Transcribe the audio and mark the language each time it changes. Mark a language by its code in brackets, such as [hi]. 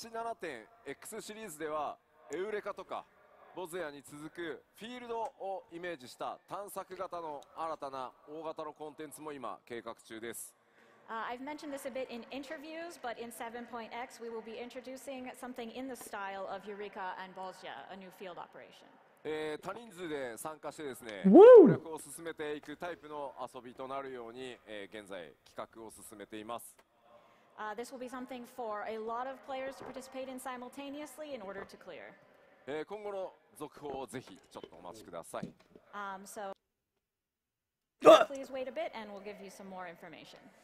[ja] 8.7.X シリーズではエウレカとかボゼアに続くフィールドをイメージした探索型の新たな大型のコンテンツも今計画中です。 [en] I've mentioned this a bit in interviews, but in 7.x we will be introducing something in the style of Eureka and Bolzia, a new field operation. This will be something for a lot of players to participate in simultaneously in order to clear. [ja] 今後の続報をぜひちょっとお待ちください。 [en] So please wait a bit and we'll give you some more information.